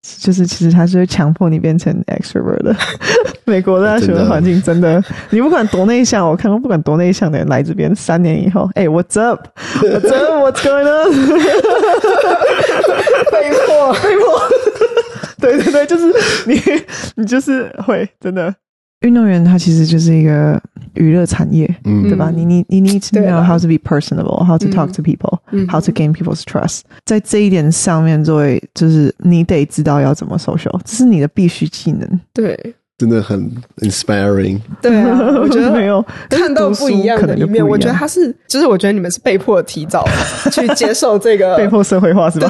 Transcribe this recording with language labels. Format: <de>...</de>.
<zh>就是其实他是会强迫你变成 extrovert 的。美国大学的环境真的，你不管多内向，我看过不管多内向的人来这边三年以后，哎、欸、，</zh> <en>What's up? What's up? What's going on?</en> <zh>被迫，被迫。对对对，就是你就是会真的。运动员他其实就是一个娱乐产业，对吧？</zh> <en>你 need to know how to be personable, how to talk to people, how to gain people's trust.</en> <zh>在这一点上面，作为就是你得知道要怎么 social, 这是你的必须技能。对，真的很 inspiring。对啊，我觉得没有看到不一样的一面。我觉得他是，就是我觉得你们是被迫提早去接受这个被迫社会化，是吧？</zh>